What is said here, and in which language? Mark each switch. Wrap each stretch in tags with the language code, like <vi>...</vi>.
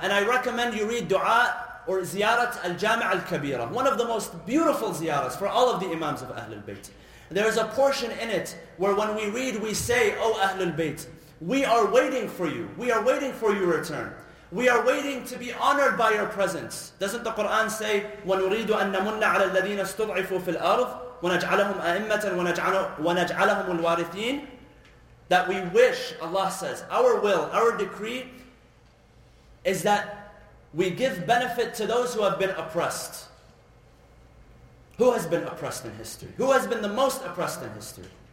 <en>And I recommend you read dua or ziyarat al-jami' al-kabira. One of the most beautiful ziyarats for all of the imams of Ahlul Bayt. There is a portion in it where when we read, we say, O Ahlul Bayt, we are waiting for you. We are waiting for your return. We are waiting to be honored by your presence. Doesn't the Quran say,</en> <ar>وَنُرِيدُ أَن نَمُنَّ عَلَى الَّذِينَ اسْتُضْعِفُوا فِي الْأَرْضِ وَنَجْعَلَهُمْ أَئِمَّةً وَنَجْعَلَهُمُ الْوَارِثِينَ.</ar> <en>That we wish, Allah says, our will, our decree is that we give benefit to those who have been oppressed. Who has been oppressed in history? Who has been the most oppressed in history?</en>